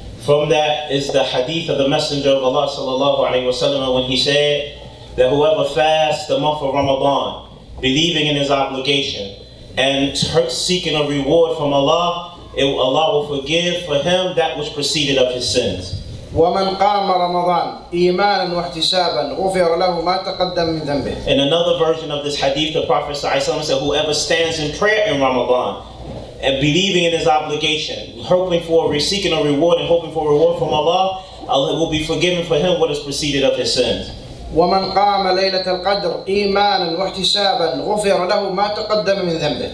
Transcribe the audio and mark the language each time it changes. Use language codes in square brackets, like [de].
[en] From that is the hadith of the Messenger of Allah sallallahu alaihi wasallam when he said that whoever fasts the month of Ramadan, believing in his obligation and seeking a reward from Allah, Allah will forgive for him that which preceded of his sins. [ar] ومن قام رمضان إيمانا واحتسابا غفر له ما تقدم من ذنبه. [en] In another version of this hadith, the Prophet sallallahu alaihi wasallam said, whoever stands in prayer in Ramadan and believing in his obligation, hoping for, seeking a reward and hoping for a reward from Allah, it will be forgiven for him what has preceded of his sins. [ar] وَمَنْ قَامَ لَيْلَةَ الْقَدْرِ إِيمَانًا وَاحْتِسَابًا غُفِرَ لَهُ مَا تَقَدَّمَ مِنْ ذَنْبِهِ.